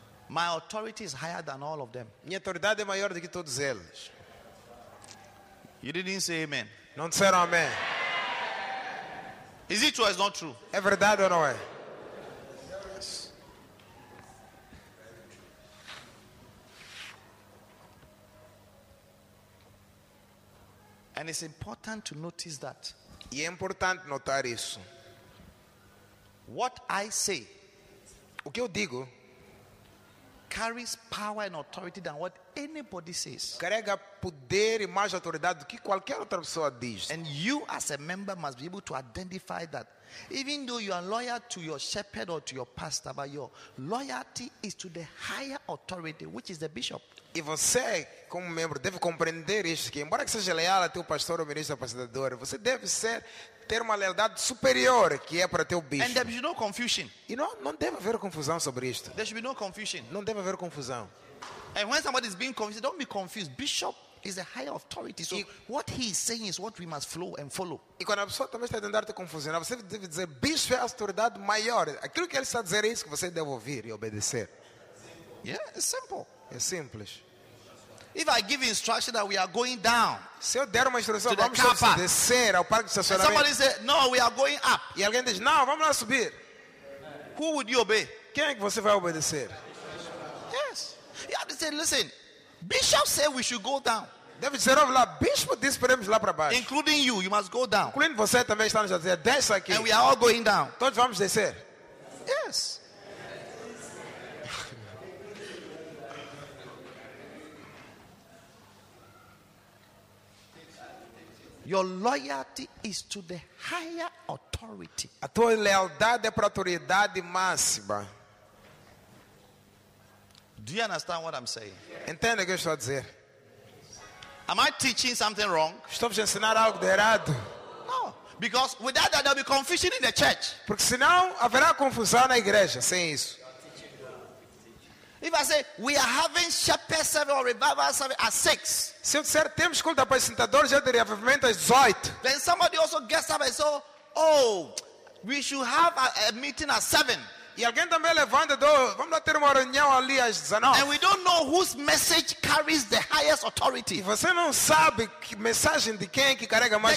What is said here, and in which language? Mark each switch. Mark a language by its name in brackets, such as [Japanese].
[English] My authority is higher than all of them. [Portuguese] Minha autoridade é maior do que todos eles. [English] You didn't say amen. [Portuguese] Não disseram amém. [English] Is it true or is not true? [Portuguese] É verdade ou não é? [English] And it's important to notice that. [Portuguese] E é importante notar isso. [English] What I say, [Portuguese] o que eu digo, [English] carries power and authority than what anybody says. [Portuguese] Carrega poder e mais autoridade do que qualquer outra pessoa diz. [English] And you as a member must be able to identify that. Even though you are loyal to your shepherd or to your pastor, but your loyalty is to the higher authority, which is the bishop. [Portuguese] E você, como membro, deve compreender isso, que embora que seja leal a teu pastor ou ministro ou pastor, você deve ser ter uma lealdade superior, que é para teu bicho. [English] And there should be no confusion. [Portuguese] E não, não deve haver confusão sobre isto. [English] There should be no confusion. [Portuguese] Não deve haver confusão. [English] And when somebody is being confused, don't be confused. Bishop is a higher authority. So what he is saying is what we must flow and follow. [Portuguese] E quando a pessoa também está tentando te confusão, você deve dizer, bicho é a autoridade maior. Aquilo que ele está dizendo é isso que você deve ouvir e obedecer. [English] Yeah, it's simple. [Portuguese] É simples. [English] If I give instruction that we are going down, [Portuguese] se eu der uma instrução, vamos descer ao parque de estacionamento. [English] Somebody says, no, we are going up. [Portuguese] E alguém diz, não, vamos lá subir. [English] Who would you obey? [Portuguese] Quem é que você vai obedecer? [English] Yes. You have to say, listen, bishop said we should go down. [Portuguese] Deve dizer, ouve lá, bispo disse para irmos lá para baixo. [English] Including you, you must go down. [Portuguese] Incluindo você também está nos a dizer, desce aqui. [English] And we are all going down. [Portuguese] Todos vamos descer. [English] Yes. Your loyalty is to the higher authority. [Portuguese] A tua lealdade é para a autoridade máxima. [English] Do you understand what I'm saying? [Portuguese] Entende o que eu estou a dizer? [English] Am I teaching something wrong? [Portuguese] Estou a ensinar algo de errado? [English] No, because without that there'll be confusion in the church. [Portuguese] Porque senão haverá confusão na igreja sem isso. [English] If I say we are having shepherd service or revival service at 6, [Portuguese] se eu disser temos culto de apresentadores, já teria avivamento às 18. [English] Then somebody also gets up and says, oh, we should have a meeting at 7. [Portuguese] E alguém também levanta, vamos lá ter uma reunião ali às 19. [English] And we don't know whose message carries the highest authority. [Portuguese] E você não sabe que mensagem de quem que carrega mais